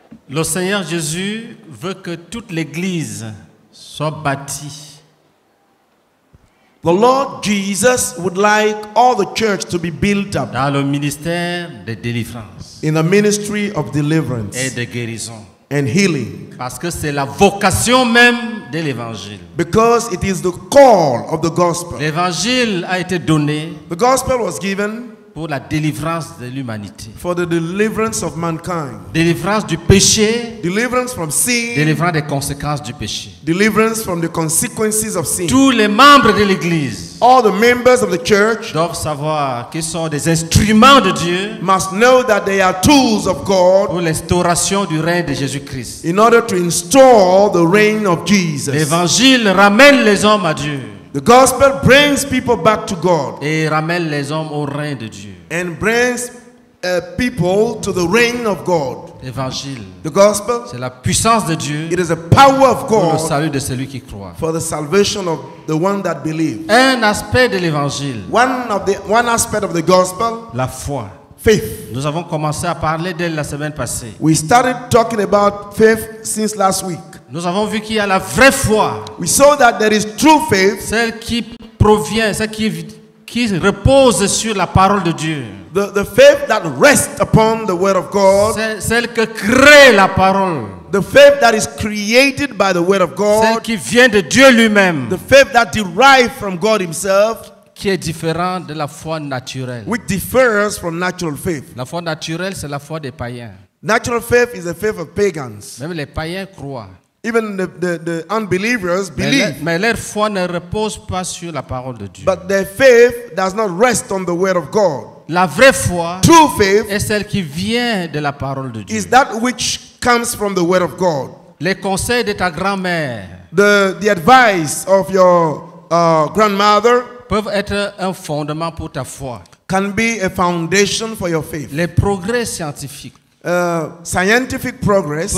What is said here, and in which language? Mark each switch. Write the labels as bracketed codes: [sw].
[fr] Le Seigneur Jésus veut que toute l'église soit bâtie. [en] The Lord Jesus would like all the church to be built up. [fr] Dans le ministère de délivrance. [en] In the ministry of deliverance. [fr] Et de guérison. [en] And healing. [fr] Parce que c'est la vocation même de l'évangile. [en] Because it is the call of the gospel. [fr] L'évangile a été donné. [en] The gospel was given. [fr] Pour la délivrance de l'humanité. [en] For the deliverance of mankind. [fr] Délivrance du péché. [en] Deliverance from sin. [fr] Délivrance des conséquences du péché. [en] Deliverance from the consequences of sin. [fr] Tous les membres de l'église. [en] All the members of the church. [fr] Doivent savoir qu'ils sont des instruments de Dieu. [en] Must know that they are tools of God. [fr] Pour l'instauration du règne de Jésus-Christ. [en] In order to install the reign of Jesus. [fr] L'évangile ramène les hommes à Dieu. [en] The gospel brings people back to God. [fr] Et ramène les hommes au règne de Dieu. [en] And brings people to the reign of God. [fr] L'évangile. [en] The gospel. [fr] C'est la puissance de Dieu. [en] It is the power of God. [fr] Pour le salut de celui qui croit. [en] For the salvation of the one that believes. [fr] Un aspect de l'évangile. [en] One aspect of the gospel. [fr] La foi. [en] Faith. [fr] Nous avons commencé à parler d'elle la semaine passée. [en] We started talking about faith since last week. [fr] Nous avons vu qu'il y a la vraie foi. [en] We saw that there is true faith. [fr] Celle qui provient, celle qui repose sur la parole de Dieu. [en] The faith that rests upon the word of God. [fr] Celle que crée la parole. [en] The faith that is created by the word of God. [fr] Celle qui vient de Dieu lui-même. [en] The faith that derives from God himself. [fr] Qui est différent de la foi naturelle. [en] Which differs from natural faith. [fr] La foi naturelle, c'est la foi des païens. [en] Natural faith is the faith of pagans. [fr] Même les païens croient. [en] Even the unbelievers believe. [fr] Mais leur foi ne repose pas sur la parole de Dieu. [en] But their faith does not rest on the word of God. [fr] La vraie foi, [en] true faith, [fr] est celle qui vient de la parole de Dieu. [en] Is that which comes from the word of God. [fr] Les conseils de ta grand-mère, [en] the advice of your grandmother, [fr] peuvent être un fondement pour ta foi. [en] Can be a foundation for your faith. [fr] Les progrès scientifiques. [en] Scientific progress